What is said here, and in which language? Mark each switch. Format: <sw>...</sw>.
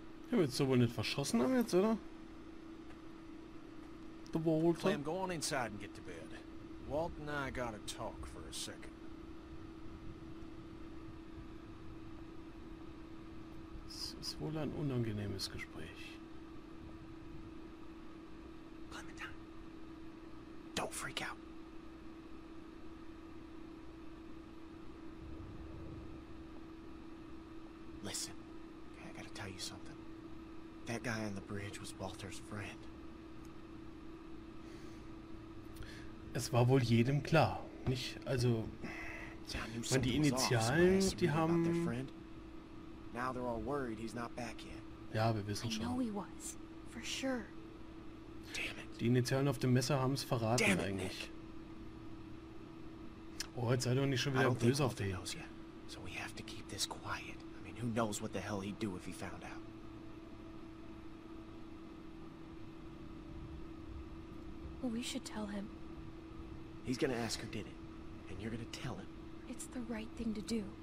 <de>Hey, wird so wohl nicht verschossen haben jetzt, oder?</de> <en>Clem, go on inside and get to bed. Walt and I gotta talk for a second.</en> <de>Es ist wohl ein unangenehmes Gespräch.</de> <en>Clementine, don't freak out. Listen, okay, I gotta tell you something. That guy on the bridge was Walter's friend.</en> <de>Es war wohl jedem klar, nicht? Also, wenn die Initialen, die haben...</de> <en>Now they're all worried he's not back yet.</en> <de>Ja, wir wissen schon.</de> <en>I know he was, for sure. Damn it.</en> <de>Die Initialen auf dem Messer haben es verraten,</de> <en>damn it,</en> <de>eigentlich. Nick. Oh, jetzt sei doch nicht schon wieder böse auf den.</de> <en>So we have to keep this quiet. I mean, And who knows what the hell he'd do if he found out. We should tell him. He's gonna ask who did it, and you're gonna tell him. It's the right thing to do.</en>